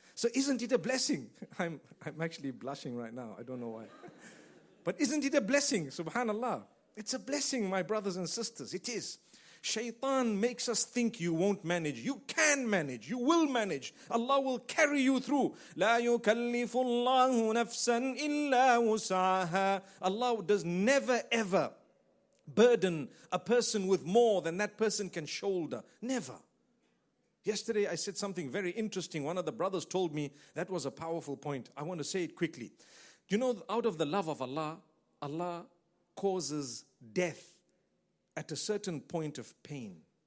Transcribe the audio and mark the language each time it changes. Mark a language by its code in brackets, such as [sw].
[en] So isn't it a blessing? I'm actually blushing right now. I don't know why. But isn't it a blessing? Subhanallah. It's a blessing, my brothers and sisters. It is. Shaitan makes us think you won't manage. You can manage. You will manage. Allah will carry you through. [ar] لا يكلف الله نفسا إلا وسعها. [en] Allah does never ever burden a person with more than that person can shoulder. Never. Yesterday I said something very interesting. One of the brothers told me that was a powerful point. I want to say it quickly. You know, out of the love of Allah, Allah causes death at a certain point of pain.